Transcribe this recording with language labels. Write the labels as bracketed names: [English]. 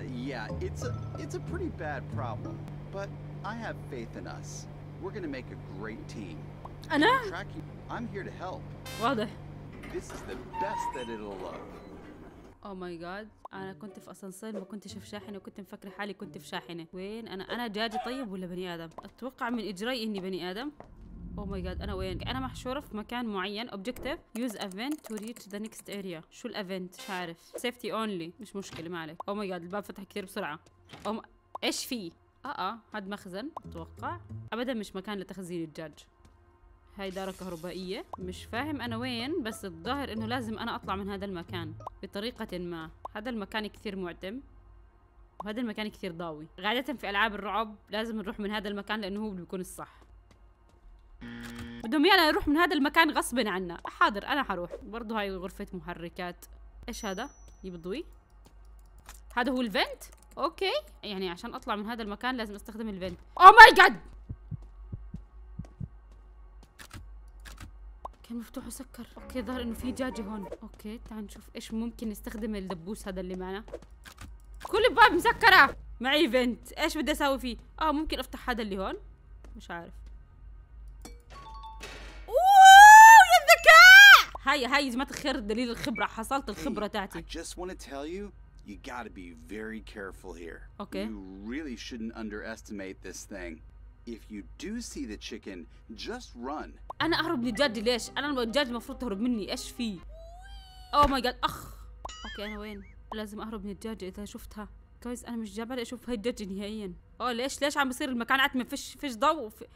[English] Yeah, it's a pretty bad problem, but I have faith in us. We're going to make a great team. [Arabic] انا [English] I'm here to help. [Arabic] واضح. [English] This is the best that it'll look. Oh my god. [Arabic] انا كنت في اسانسير ما كنتش في شاحنه، وكنت مفكره حالي كنت في شاحنه. وين انا؟ انا دجاجه طيب ولا بني ادم؟ اتوقع من اجري اني بني ادم. [English] Oh my god [Arabic] انا وين؟ انا محشوره في مكان معين. [English] Objective use event to reach the next area. [Arabic] شو الايفنت؟ مش عارف. [English] Safety only. [Arabic] مش مشكله ما عليك. [English] Oh my god [Arabic] الباب فتح كثير بسرعه. ايش في؟ هذا مخزن اتوقع. ابدا مش مكان لتخزين الدجاج. هاي دارة كهربائية، مش فاهم أنا وين، بس الظاهر إنه لازم أنا أطلع من هذا المكان بطريقة ما. هذا المكان كثير معتم وهذا المكان كثير ضاوي. عادة في ألعاب الرعب لازم نروح من هذا المكان لأنه هو اللي بيكون الصح. بدهم يعني نروح من هذا المكان غصب عنا. حاضر أنا حروح. برضو هاي غرفة محركات، إيش هذا؟ يبضوي. هذا هو الفنت؟ أوكي، يعني عشان أطلع من هذا المكان لازم أستخدم الفنت. أو ماي جاد، مفتوح وسكر. اوكي ظهر انه في دجاجة هون. اوكي تعال نشوف ايش ممكن نستخدم الدبوس هذا اللي معنا. كل الباب مسكرة، معي فنت، ايش بدي اساوي فيه؟ ممكن افتح هذا اللي هون، مش عارف. اوه يا الذكاء! هاي جماعة الخير دليل الخبرة، حصلت الخبرة تاعتي. [English] I just want to tell you, you gotta be very careful here. [Arabic] اوكي. [English] You really shouldn't underestimate this thing. If you do see the chicken, just run. [Arabic] انا اهرب من الدجاج ليش؟ انا الدجاج المفروض تهرب مني، ايش في؟ او ماي جاد اخ. اوكي انا وين؟ لازم اهرب من الدجاج اذا شفتها. جايز انا مش جابه اشوف هاي الدجاج نهائيا. ليش عم بصير المكان عتمه؟ فيش ضوء.